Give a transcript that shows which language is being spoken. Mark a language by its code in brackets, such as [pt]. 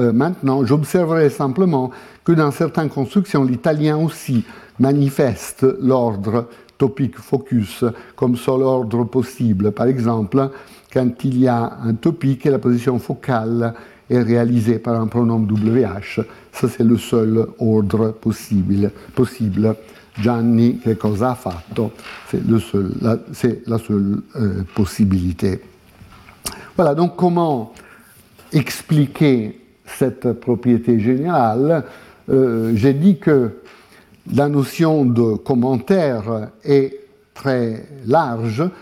[fr] Maintenant, j'observerai simplement que dans certaines constructions, l'italien aussi manifeste l'ordre topic focus comme seul ordre possible. Par exemple, quand il y a un topic et la position focale est réalisée par un pronom WH, ça c'est le seul ordre possible. [it] Gianni, che cosa ha fatto? [fr] C'est la seule possibilité. Voilà, donc comment expliquer cette propriété générale? J'ai dit que la notion de commentaire est très large.